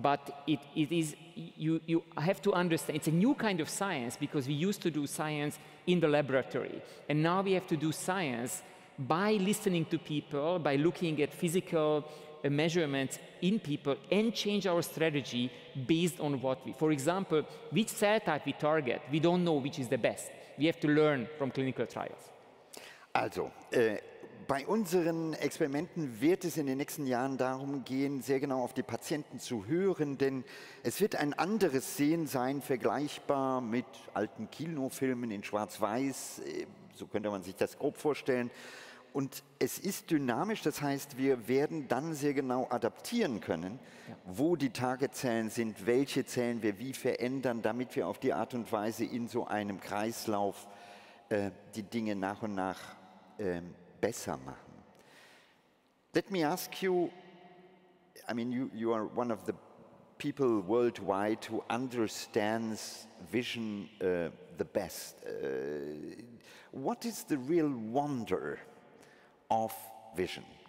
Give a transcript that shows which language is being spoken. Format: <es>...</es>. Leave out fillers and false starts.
<en>but it is, you have to understand, it's a new kind of science because we used to do science in the laboratory and now we have to do science by listening to people, by looking at physical measurements in people and change our strategy based on what we, for example, which cell type we target, we don't know which is the best. We have to learn from clinical trials.</en> <de>Also, Bei unseren Experimenten wird es in den nächsten Jahren darum gehen, sehr genau auf die Patienten zu hören, denn es wird ein anderes Sehen sein, vergleichbar mit alten Kinofilmen in Schwarz-Weiß, so könnte man sich das grob vorstellen. Und es ist dynamisch, das heißt, wir werden dann sehr genau adaptieren können, wo die Targetzellen sind, welche Zellen wir wie verändern, damit wir auf die Art und Weise in so einem Kreislauf die Dinge nach und nach besser machen.</de> <en>Let me ask you, I mean, you are one of the people worldwide who understands vision the best. What is the real wonder of vision?</en>